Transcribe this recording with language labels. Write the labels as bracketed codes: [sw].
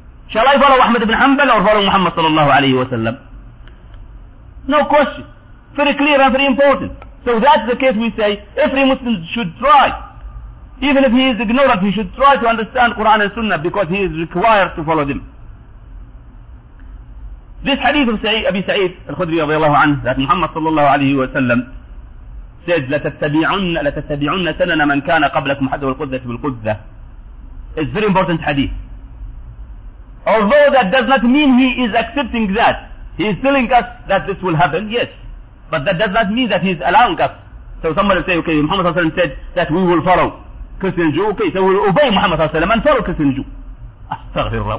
[en] Shall I follow Ahmad ibn Hanbal or follow Muhammad sallallahu alayhi wa sallam? No question. Very clear and very important. So that's the case, we say every Muslim should try, even if he is ignorant, he should try to understand Quran and Sunnah because he is required to follow them. This hadith of Abi Sa'id al-Khudri رضي الله عنه that Muhammad صلى الله عليه وسلم said [ar] لتتبعن سنن من كان قبلكم حتى والقدة بالقدة. [en] It's very important hadith. Although that does not mean he is accepting that. He is telling us that this will happen, yes. But that does not mean that he is allowing us. So someone will say, okay, Muhammad صلى الله عليه وسلم said that we will follow Christian Jew. Okay, so we will obey Muhammad صلى الله عليه وسلم and follow Christian Jew. أستغفر الله.